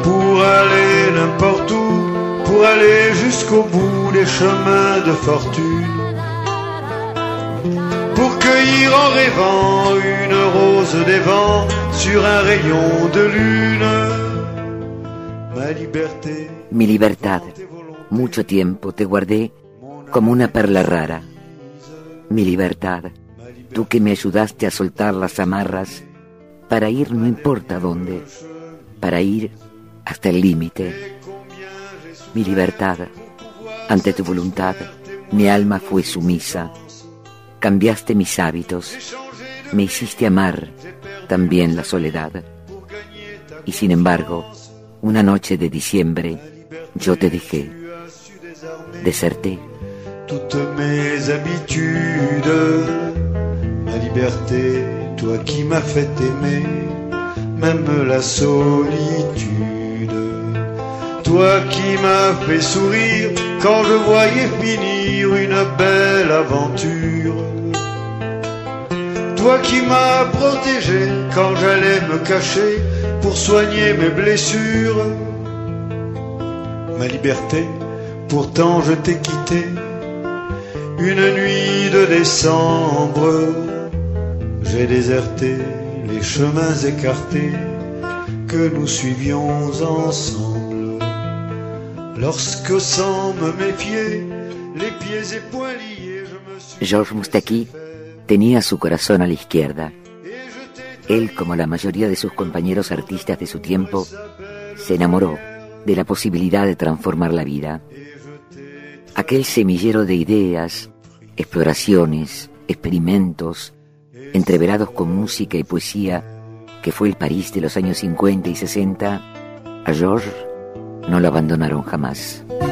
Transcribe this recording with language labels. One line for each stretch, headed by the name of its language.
French: Pour aller n'importe où, pour aller jusqu'au bout des chemins de fortune, pour cueillir en rêvant une rose des vents sur un rayon de lune. Ma liberté,
Spanish: mi libertad. Mucho tiempo te guardé como una perla rara. Mi libertad, tú que me ayudaste a soltar las amarras para ir no importa dónde, para ir hasta el límite. Mi libertad, ante tu voluntad, mi alma fue sumisa. Cambiaste mis hábitos, me hiciste amar también la soledad. Y sin embargo, una noche de diciembre, yo te dejé. Deserté.
French: toutes mes habitudes, ma liberté, toi qui m'as fait aimer, même la solitude, toi qui m'as fait sourire quand je voyais finir une belle aventure, toi qui m'as protégé quand j'allais me cacher pour soigner mes blessures, ma liberté, pourtant je t'ai quitté une nuit de décembre. J'ai déserté les chemins écartés que nous suivions ensemble, lorsque sans me méfier, les pieds et poings liés, je me suis...
Spanish: Georges Moustaki tenía su corazón a la izquierda. Él, como la mayoría de sus compañeros artistas de su tiempo, se enamoró de la posibilidad de transformar la vida. Aquel semillero de ideas, exploraciones, experimentos, entreverados con música y poesía, que fue el París de los años 50 y 60, a Georges no lo abandonaron jamás.